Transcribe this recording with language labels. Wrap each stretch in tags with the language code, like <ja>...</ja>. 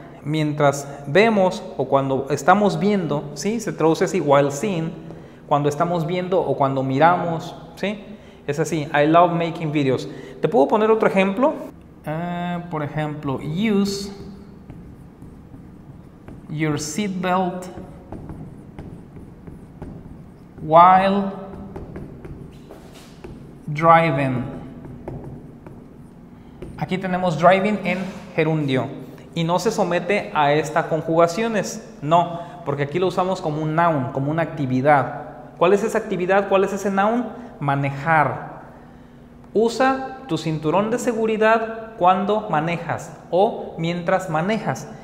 <es>Mientras vemos o cuando estamos viendo, ¿sí? Se traduce así,</es> <en>while seeing,</en> <es>cuando estamos viendo o cuando miramos, ¿sí? Es así,</es> <en>I love making videos.</en> <es>¿Te puedo poner otro ejemplo? Por ejemplo,</es> <en>use your seatbelt while driving.</en> <es>Aquí tenemos driving en gerundio. Y no se somete a estas conjugaciones. No, porque aquí lo usamos como un noun, como una actividad. ¿Cuál es esa actividad? ¿Cuál es ese noun? Manejar. Usa tu cinturón de seguridad cuando manejas o mientras manejas.</es>